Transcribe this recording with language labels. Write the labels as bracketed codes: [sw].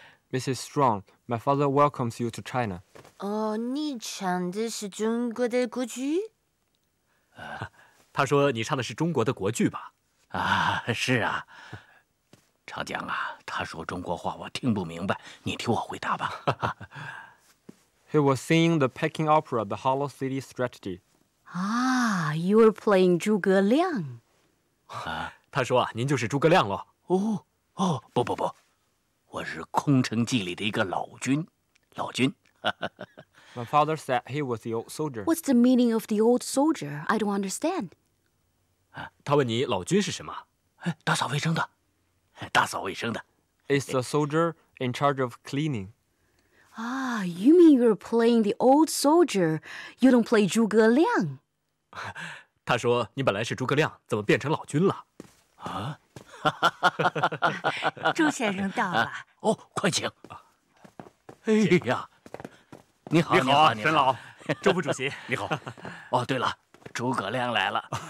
[en] Mrs. Strong, my father welcomes you to China. [zh] 哦，你唱的是中国的国剧？他说你唱的是中国的国剧吧。啊，是啊。长江啊，他说中国话我听不明白，你替我回答吧。 [en] He was singing the Peking opera, The Hollow City Strategy. Ah, you were playing 诸葛亮。 [zh] 他说啊，您就是诸葛亮喽。哦，哦，不不不，我是空城计里的一个老军，老军。 [en] My father said he was the old soldier. What's the meaning of the old soldier? I don't understand. [zh] 他问你老军是什么？打扫卫生的，打扫卫生的。 [en] It's the soldier in charge of cleaning. Ah, you mean you're playing the old soldier? You don't play 诸葛亮。 [zh] 他说你本来是诸葛亮，怎么变成老君了？啊！朱先生到了。哦，快请。哎呀，你好，你好，沈老，周副主席，你好。哦，对了，诸葛亮来了。